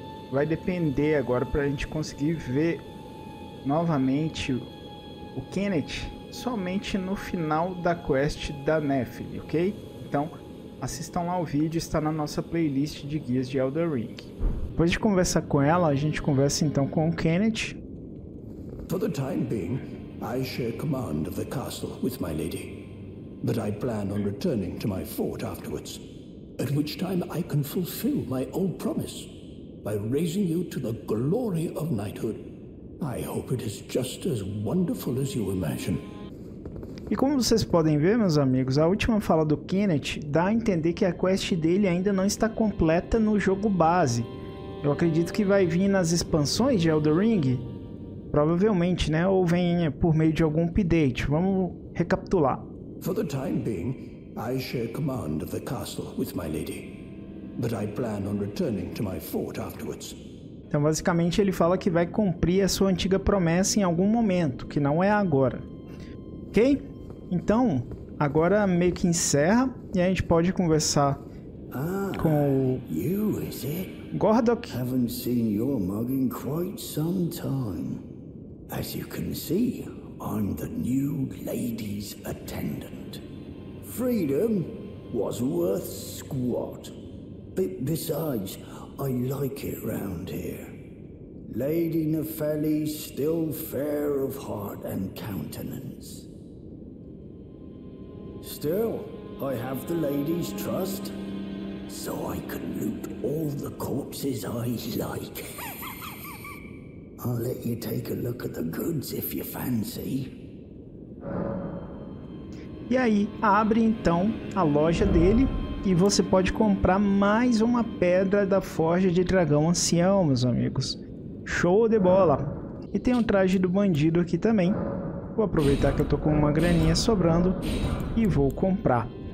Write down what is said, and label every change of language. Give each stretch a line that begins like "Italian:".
Portuguese: Vai depender agora para a gente conseguir ver novamente o Kenneth somente no final da quest da Nephilim, ok? Então assistam lá o vídeo, está na nossa playlist de guias de Elden Ring. Depois de conversar com ela, a gente conversa então com o Kenneth.
English: For the time being, I share command of the castle with my lady. But I plan on returning to my fort afterwards. At which time I can fulfill my old promise by raising you to the glory of knighthood. I hope it is just as wonderful as you imagine.
Portuguese: E como vocês podem ver, meus amigos, a última fala do Kenneth dá a entender que a quest dele ainda não está completa no jogo base. Eu acredito que vai vir nas expansões de Elden Ring, provavelmente, né? Ou venha por meio de algum update. Vamos recapitular.
English: For the time being, I share command of the castle with my lady, but I plan on returning to my fort afterwards.
Portuguese: Então, basicamente, ele fala que vai cumprir a sua antiga promessa em algum momento, que não é agora. Ok? Então, agora meio que encerra e a gente pode conversar com o
English: you, is it? Gordok. Haven't seen your mug in quite some time. As you can see, I'm the new lady's attendant. Freedom was worth squat. Besides, I like it round here. Lady Nephele still fair of heart and countenance. Still, I have the lady's trust, so I can loot all the corpses I like. I'll let you take a look at the goods if you fancy.
Portuguese: E aí, abre então a loja dele e você pode comprar mais uma pedra da Forja de Dragão Ancião, meus amigos. Show de bola! E tem um traje do bandido aqui também. Vou aproveitar que eu tô com uma graninha sobrando e vou comprar.